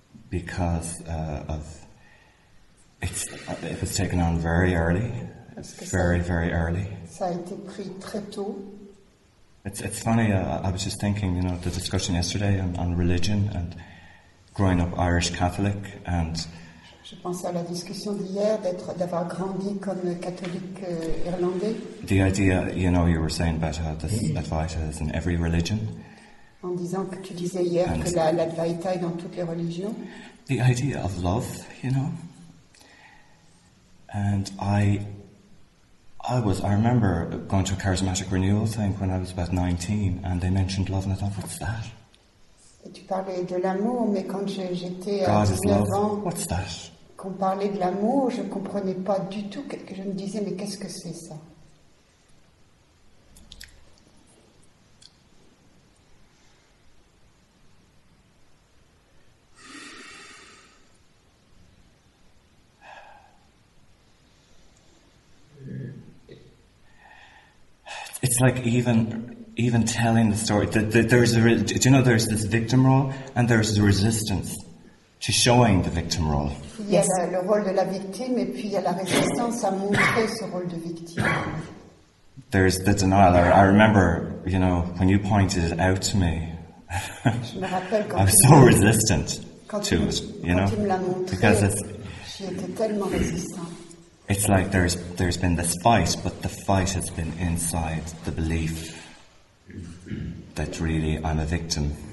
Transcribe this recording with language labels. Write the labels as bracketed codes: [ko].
[en] Because it was taken on very early. Very, very early. [fr] Ça a été pris très tôt. [en] It's funny, I was just thinking, you know, the discussion yesterday on religion and growing up Irish Catholic, and [fr] je pense à la discussion d'hier d'être d'avoir grandi comme catholique irlandais. [en] The idea, you know, you were saying about how this Advaita is in every religion. [fr] En disant que tu disais hier [en] and [fr] que l'Advaita est dans toutes les religions. [en] The idea of love, you know. And I remember going to a charismatic renewal thing when I was about 19, and they mentioned love, and I thought, what's that? [fr] Et tu parlais de l'amour, mais quand j'étais [en] God [fr] à 19 ans, [en] what's that? [fr] Qu'on parlait de l'amour, je ne comprenais pas du tout, que je me disais, mais qu'est-ce que c'est ça? [en] It's like even telling the story. There's this victim role and there's the resistance to showing the victim role. Yes, [fr] le rôle de la victime et puis il y a la résistance à montrer ce rôle de victime. [en] There's the denial. I remember, you know, when you pointed it out to me. [fr] Je me rappelle quand [en] I was so resistant to it, you know, because [fr] j'étais tellement résistant. [en] It's like there's been this fight, but the fight has been inside the belief that really I'm a victim.